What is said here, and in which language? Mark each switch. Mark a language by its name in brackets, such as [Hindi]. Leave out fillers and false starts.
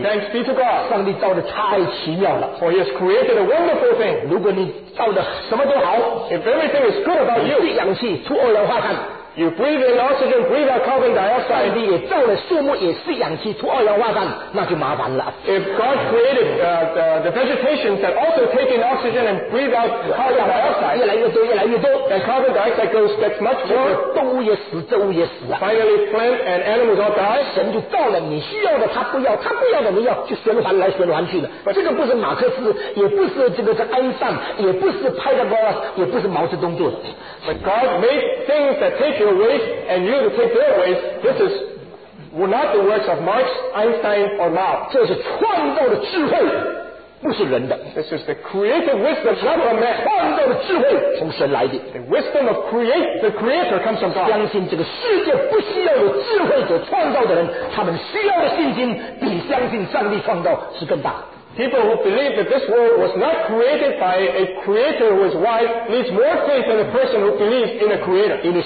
[English] thanks be to God. [Chinese] 上帝造得太奇妙了, [English] for he has created a wonderful thing. [Chinese] 如果你造得什么都好, [English] if everything is good about you, [Chinese] 你吸氧气吐二氧化碳, [English] you breathe in oxygen, breathe out carbon dioxide. [Chinese] 也造了树木也吸氧气吐二氧化碳, 那就麻烦了。 [English] If God created the vegetation that also take in oxygen and breathe out carbon dioxide, [Chinese] 越来越多, [English] and carbon dioxide goes gets much more, [Chinese] 动物也死, [English] finally plant and animals all die, [Chinese] 神就造了你需要的他不要, 他不要的你要, 就循环来循环去了。这个不是马克思, 也不是这个是安善, 也不是Pythagoras, 也不是毛泽东做的。 [English] But God made things that take your ways and you to take their ways. This is not the works of Marx, Einstein, or Mao. [Chinese] 这是创造的智慧, 不是人的。 [English] This is the creative wisdom, not from man. [Chinese] 创造的智慧, 从神来的。 [English] The wisdom of the creator comes from God. [Chinese] 相信这个世界不需要有智慧者创造的人, 他们需要的信心, 比相信上帝创造是更大。 [English] People who believe that this world was not created by a creator who is wise needs more faith than a person who believes in a creator.